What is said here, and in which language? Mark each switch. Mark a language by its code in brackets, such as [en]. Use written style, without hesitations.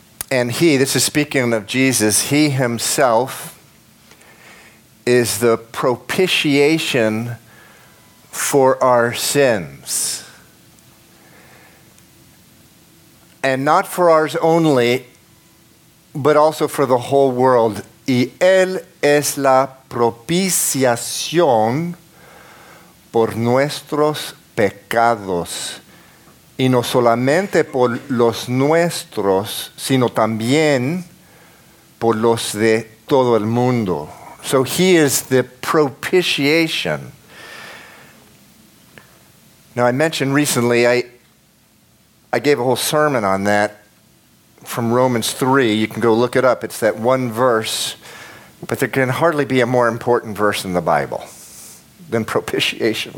[en] And he, this is speaking of Jesus, he himself is the propitiation for our sins. And not for ours only, but also for the whole world. [es] Y él es la propiciación por nuestros pecados, y no solamente por los nuestros, sino también por los de todo el mundo. [en] So he is the propitiation. Now, I mentioned recently, I gave a whole sermon on that from Romans 3. You can go look it up. It's that one verse. But there can hardly be a more important verse in the Bible than propitiation.